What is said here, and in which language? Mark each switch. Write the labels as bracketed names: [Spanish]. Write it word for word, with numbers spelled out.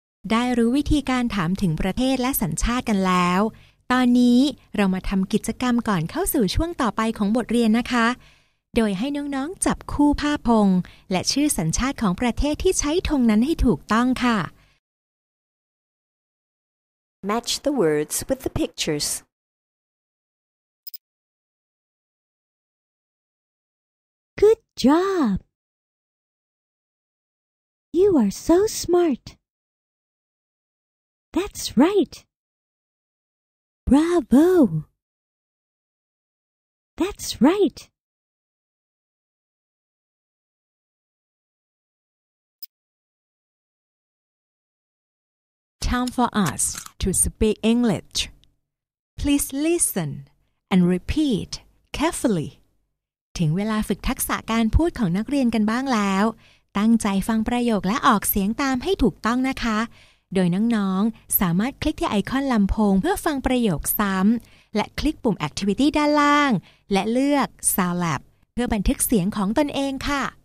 [Thai] ได้รู้วิธีการถามถึงประเทศและสัญชาติกันแล้วตอนนี้เรามาทำกิจกรรมก่อนเข้าสู่ช่วงต่อไปของบทเรียนนะคะโดยให้น้องๆจับคู่ผ้าพงและชื่อสัญชาติของประเทศที่ใช้ธงนั้นให้ถูกต้องค่ะ [English] Match the words with the pictures. Good job! You are so smart. That's right. Bravo! That's right. Time for us to speak English. Please listen and repeat carefully. [Thai] ถึงเวลาฝึกทักษะการพูดของนักเรียนกันบ้างแล้วตั้งใจฟังประโยคและออกเสียงตามให้ถูกต้องนะคะโดยน้องๆสามารถคลิกที่ไอคอนลำโพงเพื่อฟังประโยคซ้ำและคลิกปุ่ม Activity ด้านล่างและเลือก Sound Lab เพื่อบันทึกเสียงของตนเองค่ะ